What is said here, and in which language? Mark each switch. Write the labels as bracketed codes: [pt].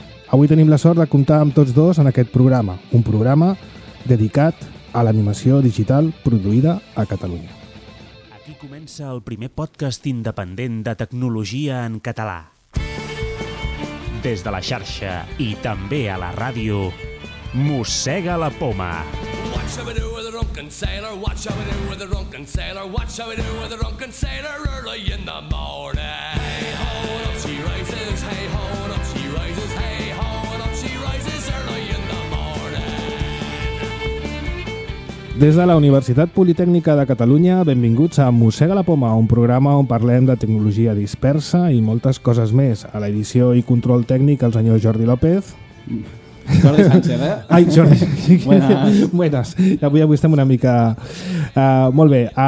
[ca] Avui tenim la sort de comptar amb tots dos en aquest programa, un programa dedicat a l'animació digital produïda a Catalunya. Aquí comença el primer podcast independent de tecnologia en català. Des de la xarxa i també a la ràdio, Mossega la Poma. [en] What shall we do with a drunken sailor? What shall we do with a drunken sailor? What shall we do with a drunken sailor early in the morning? Hey ho, and up she rises. Hey ho, and up she rises. Hey ho, and up she rises early in the morning. [ca] Des de la Universitat Politècnica de Catalunya, benvinguts a Mossega la Poma, un programa on parlem de tecnologia dispersa i moltes coses més. A l'edició i control tècnic, el senyor Jordi López. Jordi Sánchez, eh? Ai, Jordi. Buenas. Avui estem una mica... Molt bé.